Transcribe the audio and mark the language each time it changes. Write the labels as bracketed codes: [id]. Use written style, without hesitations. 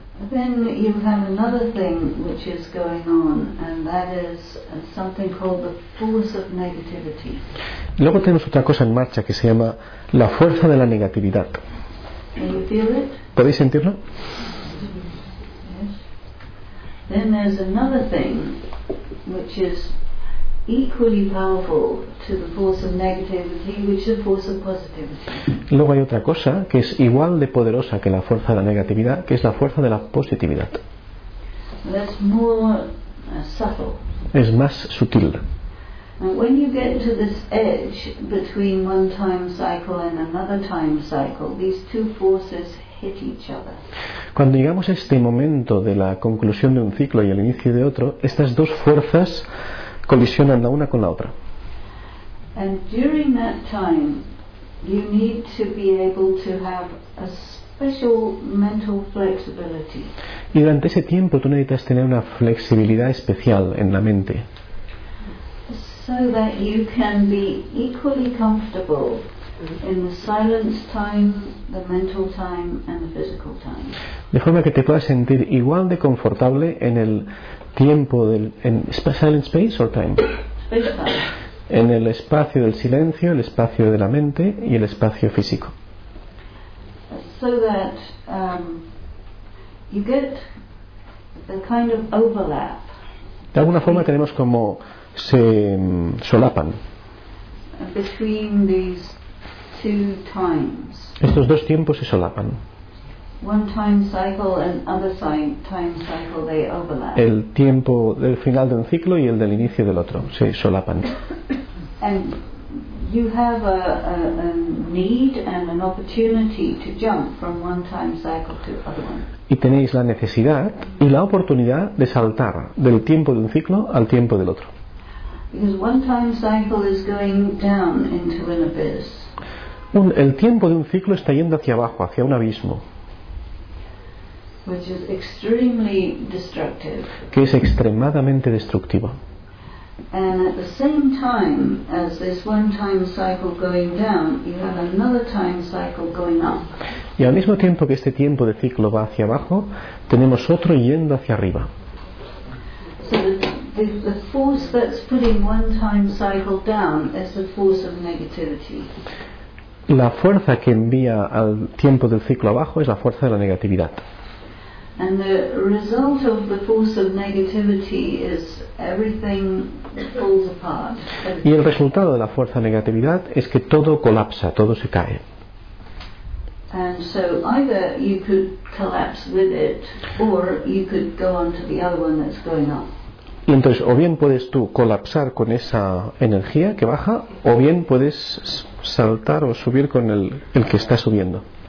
[en] Then you have another thing which is going on, and that is something called the force of negativity. [es] Luego tenemos otra cosa en marcha que se llama la fuerza de la negatividad. [en] Can you feel it? [es] ¿Podéis sentirlo? [en] Yes. Then there's another thing which is equally powerful to the force of negativity, which is the force of positivity. [es] Luego hay otra cosa que es igual de poderosa que la fuerza de la negatividad, que es la fuerza de la positividad. [en] That's more subtle. [es] Es más sutil. [en] And when you get to this edge between one time cycle and another time cycle, these two forces hit each other. [es] Cuando llegamos a este momento de la conclusión de un ciclo y el inicio de otro, estas dos fuerzas colisionan la una con la otra. [en] And during that time, you need to be able to have a special mental flexibility. [es] Y durante ese tiempo tú necesitas tener una flexibilidad especial en la mente. [en] So that you can be equally comfortable in the silence time, the mental time, and the physical time. [es] De forma que te puedas sentir igual de confortable en el tiempo del en [en] silent space or time. Space time. [es] En el espacio del silencio, el espacio de la mente y el espacio físico. [en] So that you get the kind of overlap. [es] De alguna forma tenemos como se solapan. [en] Between these two times. [es] Estos dos tiempos se solapan. [en] One time cycle and other time cycle, they overlap. [es] El tiempo del final de un ciclo y el del inicio del otro se solapan. [en] And you have a need and an opportunity to jump from one time cycle to other one. [es] Y tenéis la necesidad y la oportunidad de saltar del tiempo de un ciclo al tiempo del otro. [en] Because one time cycle is going down into an abyss. [es] El tiempo de un ciclo está yendo hacia abajo, hacia un abismo. [en] Which is extremely destructive. [es] Que es extremadamente destructivo. [en] And at the same time as this one time cycle going down, you have another time cycle going up. [es] Y al mismo tiempo que este tiempo de ciclo va hacia abajo, tenemos otro yendo hacia arriba. [en] So the force that's putting one time cycle down is the force of negativity. [es] La fuerza que envía al tiempo del ciclo abajo es la fuerza de la negatividad. [en] And the result of the force of negativity is everything falls apart. [es] Y el resultado de la fuerza de negatividad es que todo colapsa, todo se cae. [en] And so either you could collapse with it, or you could go on to the other one that's going up. [es] Y entonces, o bien puedes tú colapsar con esa energía que baja, o bien puedes saltar o subir con el que está subiendo.